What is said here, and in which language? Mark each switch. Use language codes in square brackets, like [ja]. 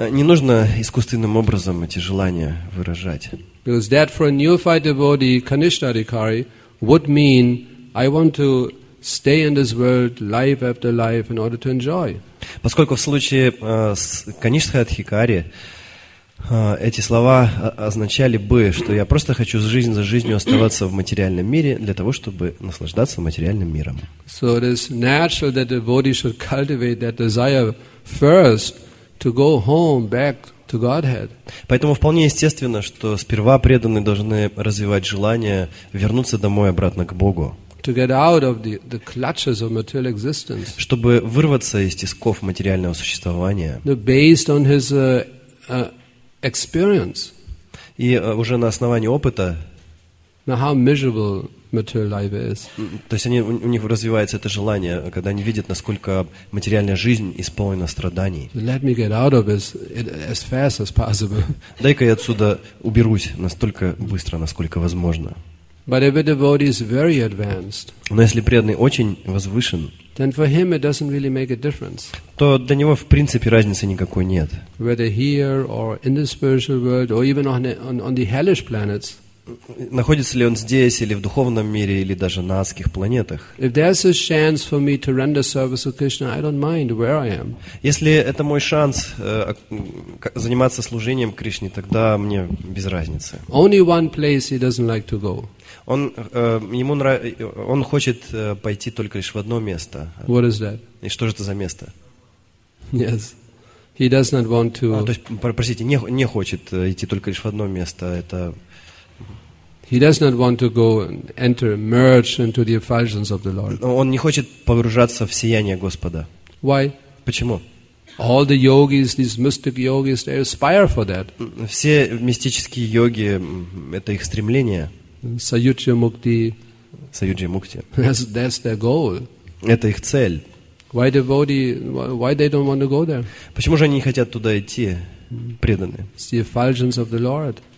[ru] Не нужно искусственным образом эти желания выражать. [en] Because that for a neophyte devotee, Kanishtha Adhikari, would mean I want to stay in this world life after life in order to enjoy. [ru] Поскольку в случае с Kanishtha Adhikari, Эти слова означали бы, что я просто хочу жизнь за жизнью оставаться в материальном мире для того, чтобы наслаждаться материальным миром. [en] So it is natural that the body should cultivate that desire first to go home back to Godhead. [ru] Поэтому вполне естественно, что сперва преданные должны развивать желание вернуться домой обратно к Богу. [en] To get out of the clutches of material existence. [ru] Чтобы вырваться из тисков материального существования. [en] Based on his experience. [ru] И уже на основании опыта. [en] Now how miserable material life is. [ru] То есть у них развивается это желание, когда они видят, насколько материальная жизнь исполнена страданий. [en] Let me get out of this as fast as possible. [ru] Дай-ка я отсюда уберусь настолько быстро, насколько возможно. [en] But if a devotee is very advanced, [ru] но если преданный очень возвышен, [en] then for him it doesn't really make a difference. [ru] То для него в принципе разницы никакой нет. [en] Whether here or in the spiritual world or even on the hellish planets, [ru] находится ли он здесь или в духовном мире или даже на адских планетах. [en] If there's a chance for me to render service to Krishna, I don't mind where I am. [ru] Если это мой шанс заниматься служением Кришне, тогда мне без разницы. [en] Only one place he doesn't like to go. [ru] Он хочет пойти только лишь в одно место. [en] What is that? [ru] И что же это за место? [en] Yes. He does not want to... [ru] То есть, простите, не хочет идти только лишь в одно место. Это... [en] He does not want to go and enter, merge into the effulgence of the Lord. [ru] Он не хочет погружаться в сияние Господа. [en] Why? [ru] Почему? [en] All the yogis, these mystic yogis, they aspire for that. [ru] Все мистические йоги, это их стремление. Саюджа мукти. Саюджа мукти. [en] That's their goal. [ru] Это их цель. [en] Why devotee? Why they don't want to go there? [ru] Почему же они не хотят туда идти, преданные? [en] It's the effulgence of the Lord.